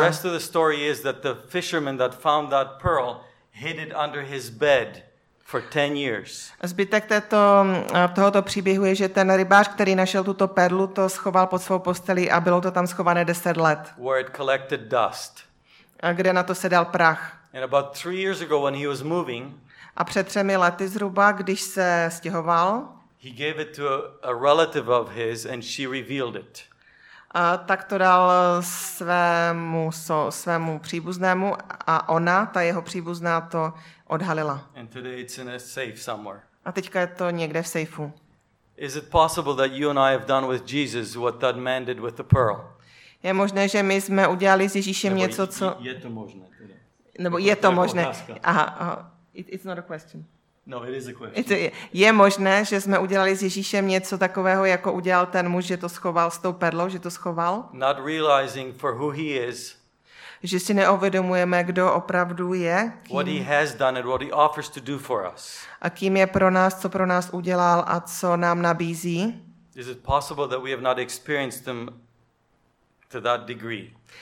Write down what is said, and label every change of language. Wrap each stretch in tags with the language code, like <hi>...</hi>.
<en>See, the rest of the story is that the fisherman that found that pearl hid it under his bed for 10 years.</en> <cs>Zbytek tohoto příběhu je, že ten rybář, který našel tuto perlu, to schoval pod svou postelí a bylo to tam schované 10 let.</cs> <en>Where it collected dust.</en> <cs>A kde na to se dal prach.</cs> <en>And about 3 years ago when he was moving.</en> <cs>A před 3 lety zhruba, když se stěhoval.</cs> <en>He gave it to a relative of his and she revealed it.</en> <cs>A tak to dal svému příbuznému a ona, ta jeho příbuzná, to odhalila.</cs> <en>And today it's in a safe somewhere.</en> <cs>A teďka je to někde v sejfu.</cs> <en>Is it possible that you and I have done with Jesus what that man did with the pearl?</en> <cs>Je možné, že my jsme udělali s Ježíšem něco, co... Je to možné. Nebo je to možné.</cs> <en>It's not a question. No, it is a question.</en> <cs>Je možné, že jsme udělali s Ježíšem něco takového, jako udělal ten muž, že to schoval s tou perlou, že to schoval?</cs> <en>Not realizing for who he is.</en> <cs>Že si neuvědomujeme, kdo opravdu je. Kým,</cs> <en>what he has done and what he offers to do for us.</en> <cs>A kým je pro nás, co pro nás udělal a co nám nabízí?</cs> <en>Is it possible that we have not experienced them to that degree?</en>